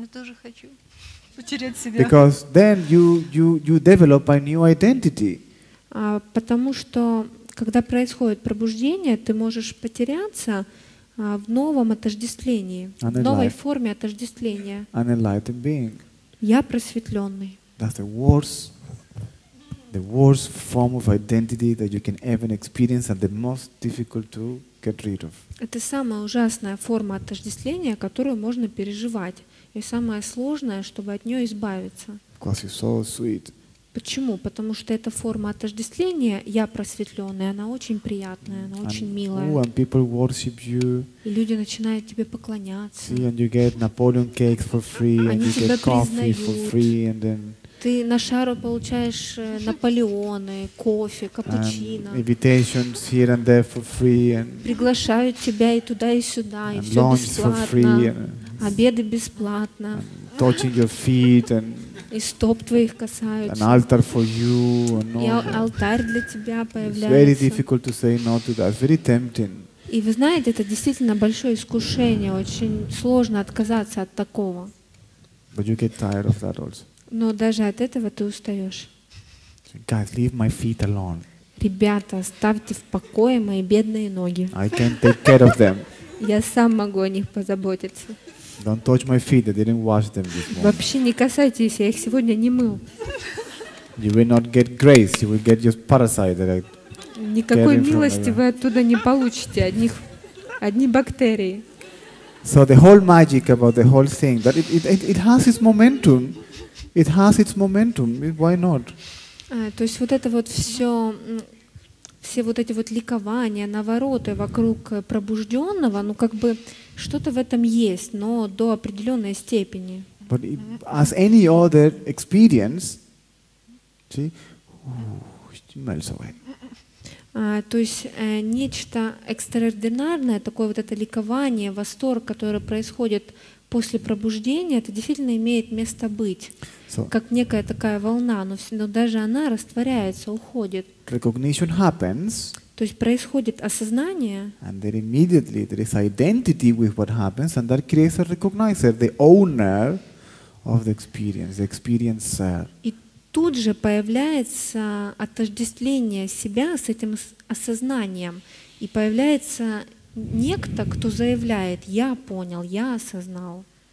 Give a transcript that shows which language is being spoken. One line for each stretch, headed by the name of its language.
Russian: Я тоже хочу потерять себя.
English: Because then you develop a new identity.
Russian: Потому что когда происходит пробуждение, ты можешь потеряться в новом отождествлении, в новой форме отождествления.
English: An enlightened being.
Russian: Я просветленный.
English: That's the worst form of identity that you can ever experience and the most difficult to get rid of.
Russian: Это самая ужасная форма отождествления, которую можно переживать. И самое сложное, чтобы от нее избавиться.
English: Because it's so sweet.
Russian: Почему? Потому что эта форма отождествления, я просветленный, она очень приятная, она очень милая.
English: Oh, and people worship you.
Russian: И люди начинают тебе поклоняться.
English: See, and you get Napoleon cakes for free, and
Russian: они
English: you get coffee for free, and then...
Russian: Ты на шару получаешь наполеоны, кофе, капучино.
English: Invitations here and there for free. And
Russian: приглашают тебя и туда, и сюда, и все бесплатно.
English: For free and
Russian: обеды бесплатно.
English: And touching your feet and
Russian: и стоп твоих касаются.
English: An altar for you and
Russian: и алтарь для тебя появляется.
English: It's very difficult to say no to that. Very tempting.
Russian: И вы знаете, это действительно большое искушение. Очень сложно отказаться от такого.
English: But you get tired of that also.
Russian: Но даже от этого ты устаешь.
English: Guys, leave my feet alone.
Russian: Ребята, оставьте в покое мои бедные ноги.
English: I can take care of them.
Russian: Я сам могу о них позаботиться.
English: Don't touch my feet. I didn't wash them this morning.
Russian: Вообще не касайтесь, я их сегодня не мыл.
English: You will not get grace. You will get just parasite.
Russian: Никакой милости вы оттуда не получите. Одни бактерии.
English: So the whole magic about the whole thing, but it has its momentum. It has its momentum. Why not?
Russian: То есть вот это вот все вот эти вот ликования, навороты вокруг пробужденного, ну как бы что-то в этом есть, но до определенной степени.
English: But it, as any other experience, see, it melts away.
Russian: То есть нечто экстраординарное, такое вот это ликование, восторг, которое происходит после пробуждения, это действительно имеет место быть. So, как некая такая волна, но даже она растворяется, уходит.
English: Recognition happens.
Russian: То есть происходит осознание.
English: And then immediately there is identity with what happens, and that creates a recognizer, the owner of the experience, the experiencer.
Russian: И тут же появляется отождествление себя с этим осознанием, и появляется некто, кто заявляет: «Я понял, я осознал».